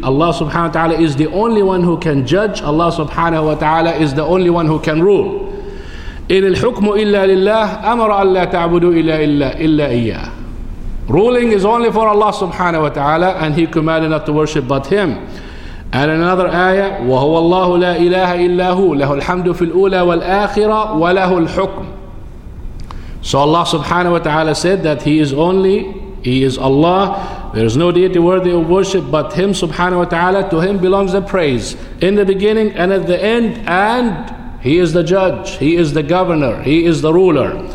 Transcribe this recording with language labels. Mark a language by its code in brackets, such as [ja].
[en] Allah subhanahu wa ta'ala is the only one who can judge. Allah subhanahu wa ta'ala is the only one who can rule. [ar] In al-hukmu illa lillah, amara an la ta'budu illa iyyah. [en] Ruling is only for Allah subhanahu wa ta'ala, and He commanded not to worship but Him. And another ayah, [ar] وَهُوَ اللَّهُ لَا إِلَهَ إِلَّا هُوَ لَهُ الْحَمْدُ فِي الْأُولَى وَالْآخِرَةِ وَلَهُ الْحُكْمُ. [en] So Allah subhanahu wa ta'ala said that He is only, He is Allah, there is no deity worthy of worship but Him subhanahu wa ta'ala, to Him belongs the praise in the beginning and at the end, and He is the judge, He is the governor, He is the ruler.